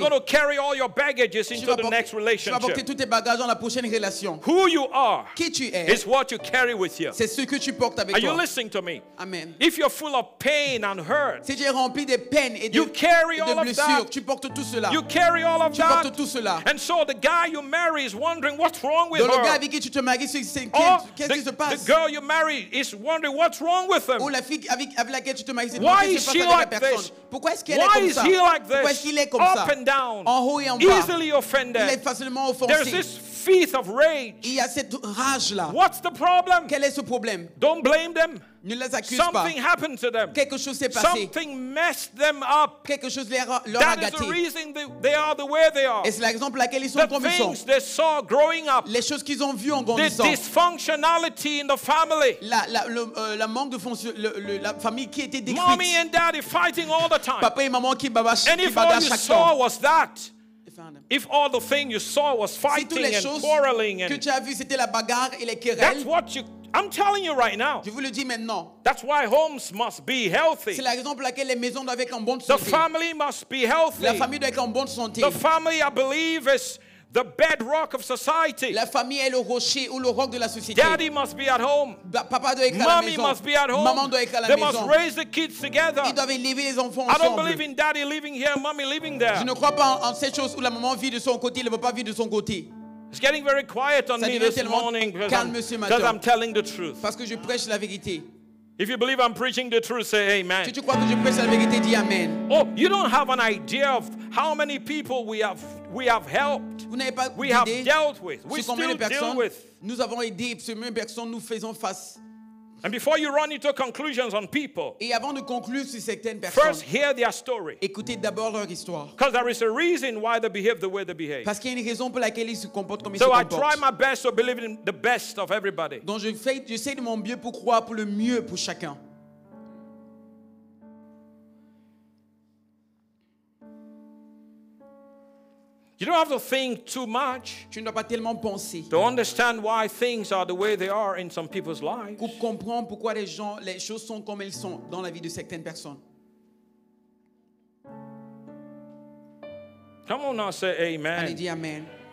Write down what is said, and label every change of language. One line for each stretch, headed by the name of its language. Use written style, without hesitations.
English: you're going to carry all your baggages into the next relationship.
French: Tu vas porter tous tes bagages dans la prochaine relation.
English: Who you are,
French: qui tu es,
English: is what you carry with you.
French: C'est ce que tu portes avec
English: are
French: toi.
English: Are you listening to me? Amen. If you're full of pain and hurt,
French: si tu es rempli de peine et de,
English: you carry
French: et de
English: all
French: blessures,
English: of that.
French: Tu portes tout cela.
English: You carry all of
French: tu portes
English: that.
French: Tout cela.
English: And so the guy you marry is wondering what's wrong with
French: donc
English: her.
French: Le gars avec qui tu te maries, c'est qu'est-ce qui se passe?
English: The girl you marry is wondering what's wrong with him.
French: Ou la fille avec laquelle tu te maries,
English: why is she like this?
French: Pourquoi est-ce qu'elle est comme ça?
English: Why is he like this?
French: Pourquoi est-ce qu'il est comme ça?
English: Up and down.
French: En haut et en bas.
English: Easily offended.
French: Il est facilement offensé.
English: There's this fit of rage.
French: Il y a cette rage là.
English: What's the problem?
French: Quel est ce problème?
English: Don't blame them.
French: Ne les accuse
English: something
French: pas.
English: Happened to them.
French: Quelque chose s'est passé.
English: Something messed them up.
French: Quelque chose leur a gâté.
English: That is the reason they are the way they are.
French: Et c'est l'exemple à laquelle ils sont comme ils sont.
English: The things they saw growing up.
French: Les choses qu'ils ont vues en grandissant.
English: The dysfunctionality in the family.
French: La manque de fonction, la famille qui était décrite.
English: Mommy and daddy fighting all the time.
French: Papa et maman qui bavardent.
English: And if all you saw was that. If all the thing you saw was fighting
French: si
English: and quarreling and
French: que tu as vu, c'était la bagarre et les querelles,
English: that's what you, I'm telling you right now.
French: Je vous le dis maintenant.
English: That's why homes must be healthy.
French: C'est l'exemple pour laquelle les maisons doivent être en bonne santé.
English: The family must be healthy.
French: La famille doit être en bonne santé.
English: The family, I believe, is the bedrock of society.
French: La famille est le rocher ou le roc de la société.
English: Daddy must be at home.
French: Papa doit être à la
English: mommy
French: maison.
English: Must be at home.
French: Maman doit être à la
English: they
French: maison.
English: Must raise the kids together.
French: Ils doivent élever les enfants
English: I
French: ensemble.
English: I don't believe in daddy living here, mommy living there.
French: Je ne crois pas en cette chose où la maman vit de son côté et le papa vit de son côté.
English: It's getting very quiet on
French: ça
English: me this morning because I'm telling the truth.
French: Parce que je prêche la vérité.
English: If you believe I'm preaching the truth, say amen.
French: Si tu crois que je prêche la vérité, dis amen.
English: Oh, you don't have an idea of how many people we have helped.
French: Vous n'avez pas
English: we have dealt with. We still deal with.
French: Nous avons aidé, sur combien de personnes nous faisons face.
English: And before you run into conclusions on people,
French: et avant de conclure sur certaines personnes,
English: first hear their story.
French: Écoutez d'abord leur histoire.
English: Because there is a reason why they behave the way they behave.
French: Parce qu'il y a une raison pour laquelle ils se comportent comme
English: so
French: ils se comportent.
English: So I try my best to believe in the best of everybody.
French: Donc j'essaie de mon mieux pour croire pour le mieux pour chacun.
English: You don't have to think too much.
French: Tu ne dois pas tellement penser.
English: To understand why things are the way they are in some people's lives.
French: Pour comprendre pourquoi les gens, les choses sont comme elles sont dans la vie de certaines personnes.
English: Come on now, say amen.
French: Allez, dis amen.